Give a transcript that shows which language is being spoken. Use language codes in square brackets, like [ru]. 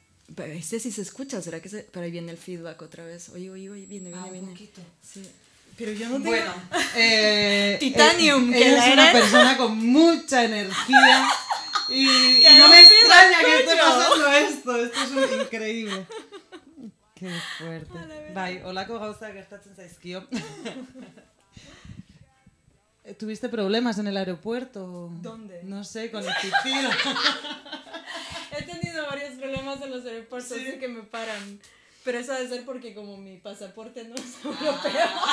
[es] Este sí se escucha, ¿será que se...? Pero ahí viene el feedback otra vez. Oye, viene. Un poquito. Sí. Pero yo no tengo... Bueno. Titanium, que eres una persona con mucha energía. Y no me extraña que esté pasando esto. Esto es increíble. Qué fuerte. [eu] Bai, holako gauzak gertatzen zaizkio. [es] ¿Tuviste problemas en el aeropuerto? ¿Dónde? No sé, con el pitido. He tenido varios problemas en los aeropuertos, sí. Así que me paran. Pero eso debe ser porque como mi pasaporte no es europeo.